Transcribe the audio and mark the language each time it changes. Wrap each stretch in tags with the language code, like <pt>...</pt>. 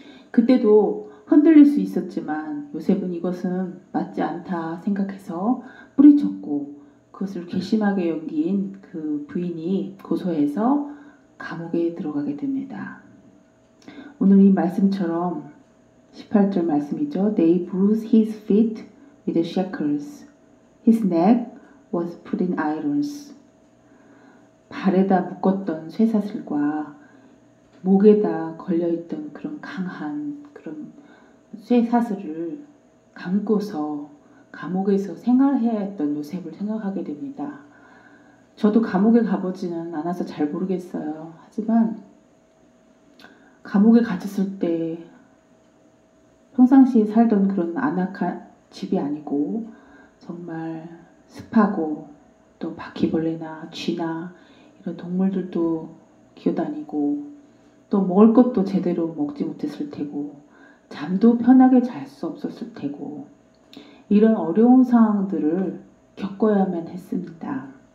<ko>그때도 흔들릴 수 있었지만 요셉은 이것은 맞지 않다 생각해서 뿌리쳤고 그것을 괘씸하게 여긴 그 부인이 고소해서 감옥에 들어가게 됩니다. 오늘 이 말씀처럼 18절 말씀이죠.</ko> <en>They bruised his feet with shackles. His neck was put in irons.</en> <ko>발에다 묶었던 쇠사슬과 목에다 걸려있던 그런 강한 그런 쇠사슬을 감고서 감옥에서 생활해야 했던 요셉을 생각하게 됩니다. 저도 감옥에 가보지는 않아서 잘 모르겠어요. 하지만 감옥에 갇혔을 때 평상시에 살던 그런 안락한 집이 아니고 정말 습하고 또 바퀴벌레나 쥐나 이런 동물들도 기어다니고 또 먹을 것도 제대로 먹지 못했을 테고 잠도 편하게 잘 수 없었을 테고 이런 어려운 상황들을 겪어야만 했습니다.</ko>